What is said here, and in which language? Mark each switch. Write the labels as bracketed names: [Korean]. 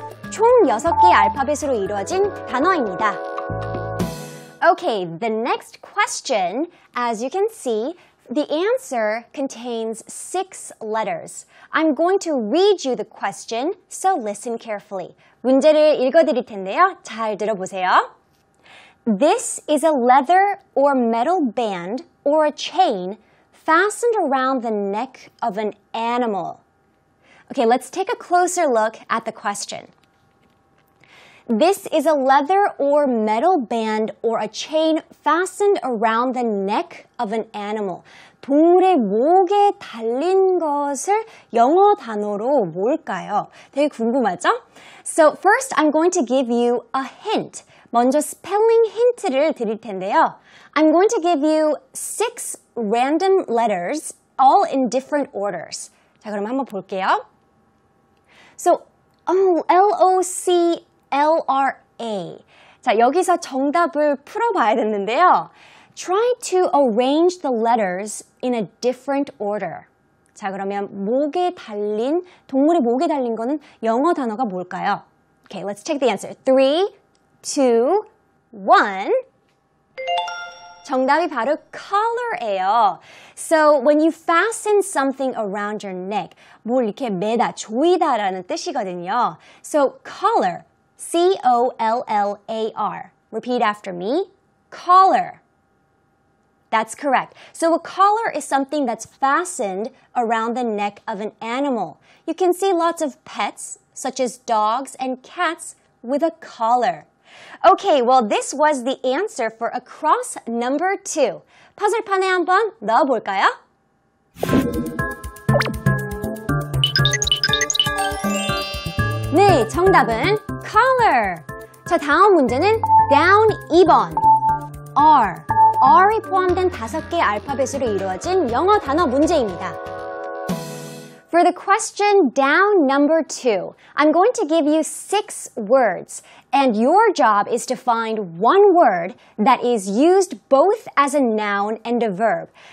[Korean] 총 6개의 알파벳으로 이루어진 단어입니다. [English] Okay, the next question, as you can see, the answer contains 6 letters. I'm going to read you the question, so listen carefully. [Korean] 문제를 읽어드릴 텐데요. 잘 들어보세요. [English] This is a leather or metal band or a chain fastened around the neck of an animal. Okay, let's take a closer look at the question. This is a leather or metal band or a chain fastened around the neck of an animal. [Korean] 동물의 목에 달린 것을 영어 단어로 뭘까요? 되게 궁금하죠? [English] So first, I'm going to give you a hint. [Korean] 먼저 스펠링 힌트를 드릴 텐데요. [English] I'm going to give you 6 random letters, all in different orders. [Korean] 자, 그럼 한번 볼게요. [English] So, L-O-C-L-R-A. [Korean] 자, 여기서 정답을 풀어봐야 되는데요. [English] Try to arrange the letters in a different order. [Korean] 자, 그러면 목에 달린, 동물의 목에 달린 거는 영어 단어가 뭘까요? [English] Okay, let's take the answer. 3, 2, 1. [Korean] 정답이 바로 collar예요. [English] So when you fasten something around your neck, [Korean] 뭘 이렇게 매다, 조이다라는 뜻이거든요. [English] So collar, C-O-L-L-A-R. Repeat after me. Collar. That's correct. So a collar is something that's fastened around the neck of an animal. You can see lots of pets, such as dogs and cats, with a collar. Okay, well, this was the answer for across number 2. [Korean] 퍼즐판에 한번 넣어볼까요? Nee, 정답은 collar. 자, 다음 문제는 down 2번. R. R이 포함된 5개의 알파벳으로 이루어진 영어 단어 문제입니다. [English] For the question down number 2, I'm going to give you 6 words, and your job is to find one word that is used both as a noun and a verb.